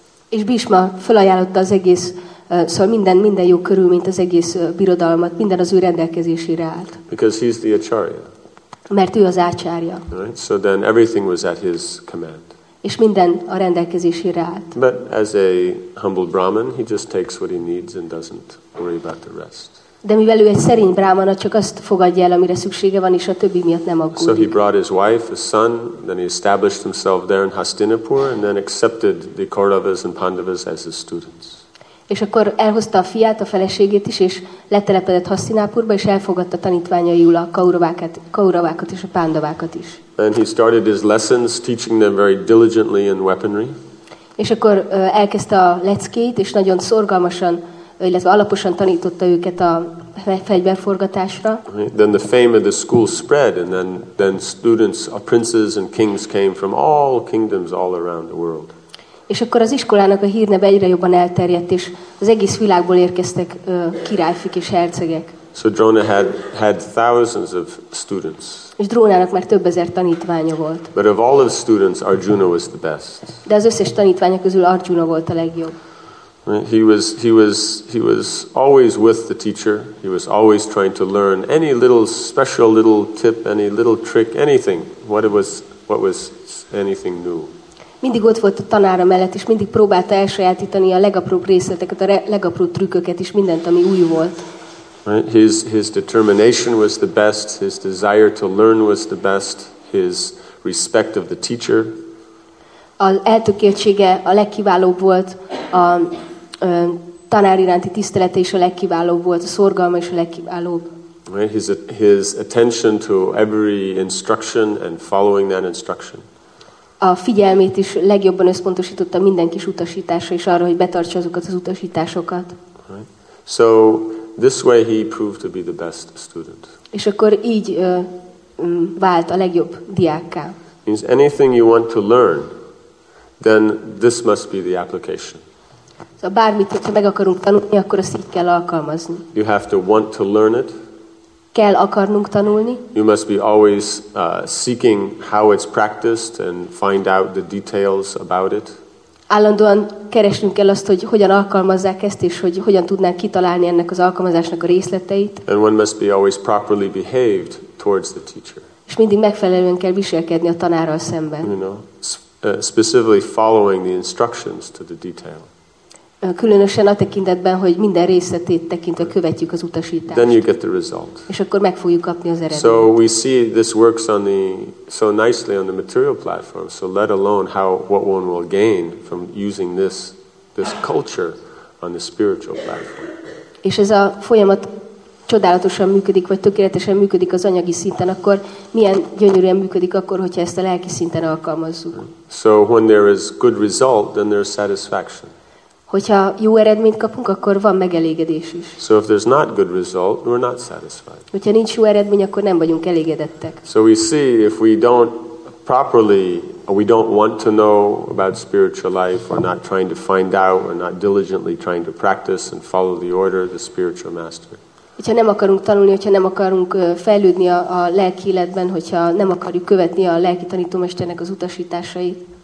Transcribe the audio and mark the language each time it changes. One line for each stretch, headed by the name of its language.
Hungarian: És Bhishma felajánlotta az egész, szóval minden jó körülményt, az egész birodalmat, minden az ő rendelkezésére állt.
English: Because he's the acharya.
Hungarian: Mert ő az ácsárja.
English: Right? So then everything was at his command.
Hungarian: És minden a rendelkezésére állt.
English: But as a humble brahmin, he just takes what he needs and doesn't worry about the rest.
Hungarian: De mivel ő egy szerény brámana, csak azt fogadja el, amire szüksége van, és a többi miatt nem aggódik.
English: So he brought his wife, his son, then he established himself there in Hastinapur, and then accepted the Kauravas and Pandavas as his students.
Hungarian: És akkor elhozta a fiát, a feleségét is, és letelepedett Hasztinápurba, és elfogadta tanítványaiul a Kauravákat és a Pandavákat is.
English: And he started his lessons, teaching them very diligently in weaponry.
Hungarian: És akkor elkezdte a leckét, és nagyon szorgalmasan, illetve alaposan tanította őket a fegyverforgatásra.
English: Then the fame of the school spread, and then students, princes and kings came from all kingdoms all around the world.
Hungarian: És akkor az iskolának a hírneve egyre jobban elterjedt, és az egész világból érkeztek királyfik és hercegek.
English: So Drona had thousands of students.
Hungarian: És Drónának már több ezer tanítványa volt.
English: But of all of students, Arjuna was the best.
Hungarian: De az összes tanítványa közül Arjuna volt a legjobb.
English: He was always with the teacher. He was always trying to learn any little special little tip, any little trick, anything. What was anything new?
Hungarian: Mindig ott volt a tanára mellett, és mindig próbálta elsajátítani a legapróbb részleteket, a legapróbb trükköket is, mindent, ami új volt.
English: His determination was the best, his desire to learn was the best, his respect of the teacher.
Hungarian: Az eltökéltsége a legkiválóbb volt, a tanár iránti tisztelete is a legkiválóbb volt, a szorgalma is a legkiválóbb.
English: Right, his attention to every instruction and following that instruction.
Hungarian: A figyelmét is legjobban összpontosította minden kis utasításra és arra, hogy betartsa azokat az utasításokat.
English: Right. So this way he proved to be the best student.
Hungarian: És akkor így vált a legjobb diákká.
English: Means anything you want to learn, then this must be the application.
Hungarian: Szóval bármit, ha meg akarunk tanulni, akkor azt így kell alkalmazni.
English: You have to want to learn it.
Hungarian: Kell akarnunk tanulni.
English: You must be always seeking how it's practiced and find out the details about it.
Hungarian: Állandóan keresnünk kell azt, hogy hogyan alkalmazzák ezt, és hogy hogyan tudnánk kitalálni ennek az alkalmazásnak a részleteit.
English: And one must be always properly behaved towards the teacher.
Hungarian: És mindig megfelelően kell viselkedni a tanárral szemben.
English: You know, specifically following the instructions to the detail.
Hungarian: Különösen a tekintetben, hogy minden részletét tekintve követjük az utasítást.
English: Then you get the result.
Hungarian: És akkor meg fogjuk kapni az eredményt.
English: So we see this works on the so nicely on the material platform. So let alone how what one will gain from using this culture on the spiritual platform.
Hungarian: És ez a folyamat csodálatosan működik, vagy tökéletesen működik az anyagi szinten, akkor milyen gyönyörűen működik akkor, hogyha ezt a lelki szinten alkalmazzuk.
English: So when there is good result, then there is satisfaction.
Hungarian: Hogyha jó eredményt kapunk, akkor van megelégedés is.
English: So if there's not good result, we're not satisfied.
Hungarian: Hogyha nincs jó eredmény, akkor nem vagyunk elégedettek.
English: So we see if we don't properly, or we don't want to know about spiritual life, or not trying to find out, or not diligently trying to practice and follow the order of the spiritual master.
Hungarian: Hogyha nem akarunk tanulni, hogyha nem akarunk fejlődni a lelki életben, hogyha nem akarjuk követni a lelki tanítómesternek az utasításait.